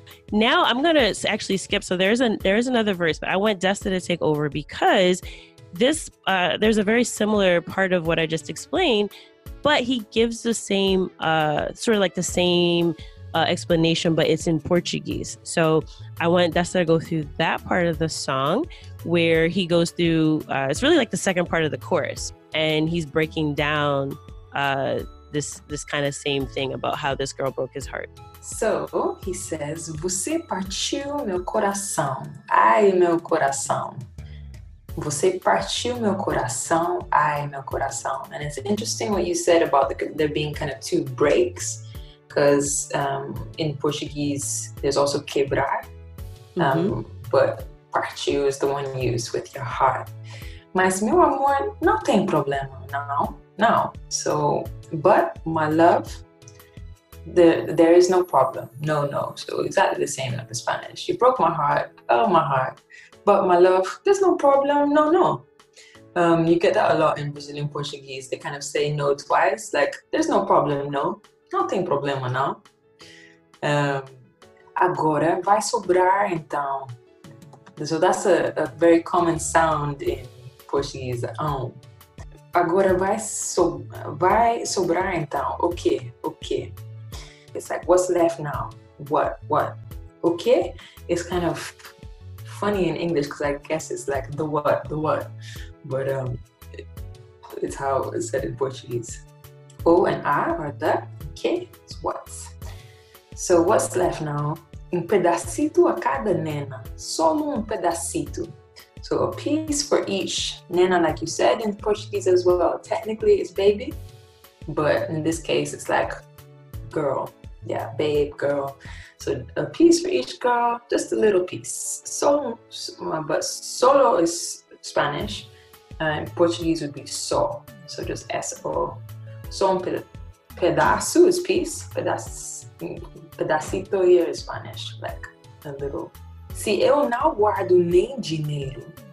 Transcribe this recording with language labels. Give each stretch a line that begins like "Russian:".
English: Now I'm gonna actually skip. So there is another verse, but I want Desta to take over because this there's a very similar part of what I just explained, but he gives the same sort of like the same explanation, but it's in Portuguese. So I want Desta to go through that part of the song where he goes through, it's really like the second part of the chorus, and he's breaking down this kind of same thing about how this girl broke his heart.
Portuguese: So he says, você partiu meu coração. Ai, meu coração. Você partiu meu coração, ai, meu coração.
English: And it's interesting what you said about there being kind of two breaks, because in Portuguese, there's also quebrar, but partiu is the one used with your heart.
Portuguese: Mas, meu amor, não tem problema, não.
English: So, but, my love, there is no problem, no. So, exactly the same in Spanish. You broke my heart, oh, my heart. But my love, there's no problem, no. You get that a lot in Brazilian Portuguese. They kind of say no twice, like, there's no problem, no. Não tem problema, não. Agora vai sobrar, então. So that's a very common sound in Portuguese.
Portuguese: Agora vai sobrar, então. O quê?
English: It's like, what's left now? What? O quê? It's kind of funny in English, because I guess it's like the what, but it's how it's said in Portuguese. O and A are the que, it's what. So what's left now?
Spanish: Um pedacito a cada nena, solo um pedacito.
English: So a piece for each nena, like you said in Portuguese as well. Technically it's baby, but in this case it's like girl. Yeah, babe, girl. So a piece for each girl, just a little piece. But solo is Spanish, and Portuguese would be só. So just S-O. Só um pedaço is piece. Pedacito here is Spanish, like a little.
Portuguese: Se eu não guardo nem dinheiro.